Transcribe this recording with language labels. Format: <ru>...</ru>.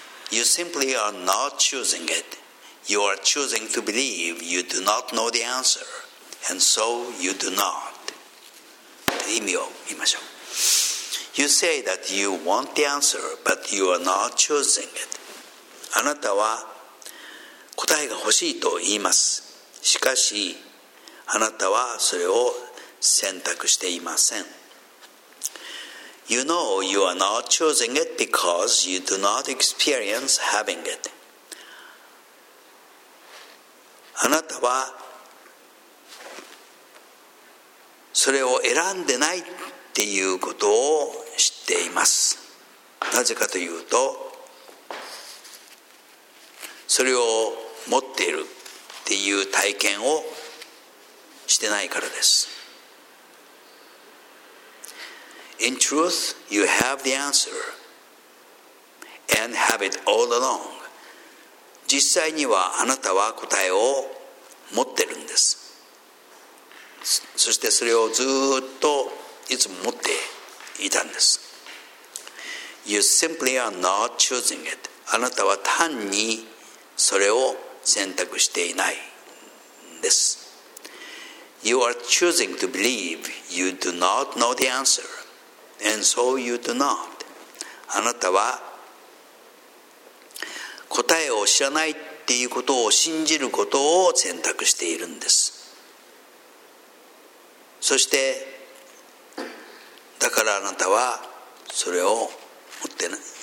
<en>You simply are not choosing it. You are choosing to believe you do not know the answer, and so you do not.</en> <ja>意味を言いましょう。</ja> <en>You say that you want the answer, but you are not choosing it.</en> <ja>あなたは答えが欲しいと言います。しかし、あなたはそれを選択していません。</ja> <en>You know you are not choosing it because you do not experience having it.</en> <ja>あなたはそれを選んでないっていうことを知っています。なぜかというと、それを持っているっていう体験をしてないからです。</ja> <en>In truth, you have the answer and have it all along.</en> <ja>実際にはあなたは答えを持ってるんです。そしてそれをずっといつも持っていたんです。</ja> <en>You simply are not choosing it.</en> <ja>あなたは単にそれを選択していないんです。</ja> <en>You are choosing to believe you do not know the answer, and so you do not.</en> <ja>あなたは答えを知らないっていうことを信じることを選択しているんです。そしてだからあなたはそれを持ってない。</ja>